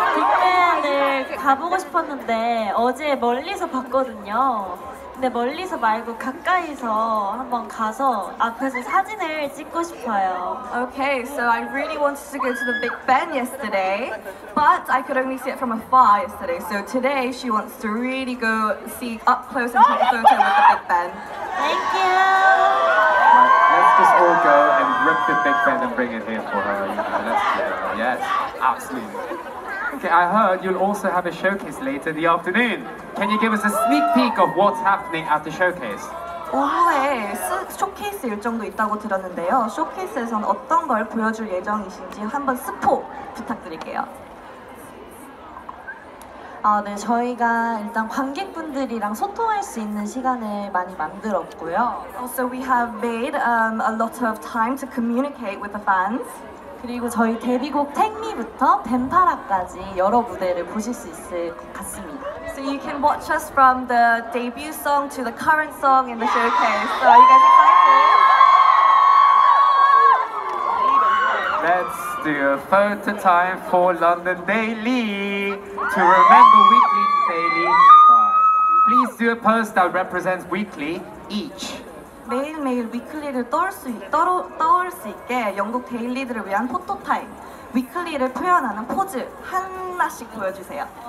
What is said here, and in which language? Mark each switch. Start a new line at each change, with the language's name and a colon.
Korean: 빅벤을 가보고 싶었는데 어제 멀리서 봤거든요. 근데 멀리서 말고 가까이서 한번 가서 앞에서 사진을 찍고 싶어요.
English: Okay, so I really wanted to go to the Big Ben yesterday, but I could only see it from afar yesterday. So today she wants to really go see up close and take a photo with the Big Ben. Thank you. Let's just all go and rip the Big Ben and bring it here for her. Let's go. Yes, absolutely. Okay, I heard you'll also have a showcase later in the afternoon. Can you give us a sneak peek of what's happening at the showcase?
Korean: 오후에 쇼케이스 일정도 있다고 들었는데요. 쇼케이스에선 어떤 걸 보여줄 예정이신지 한번 스포 부탁드릴게요. 네, 저희가 일단 관객분들이랑 소통할 수 있는 시간을 많이 만들었고요.
English: So we have made a lot of time to communicate with the fans.
Korean: 그리고 저희 데뷔곡 Take Me부터 뱀파라까지 여러 무대를 보실 수 있을 것 같습니다.
English: So you can watch us from the debut song to the current song in the showcase. So are you guys excited? Let's do a photo time for London Daily to remember Weekly Daily. Please do a pose that represents Weekly each.
Korean: 매일매일 위클리를 떠올 수 있게 영국 데일리들을 위한 포토타임 위클리를 표현하는 포즈 하나씩 보여주세요.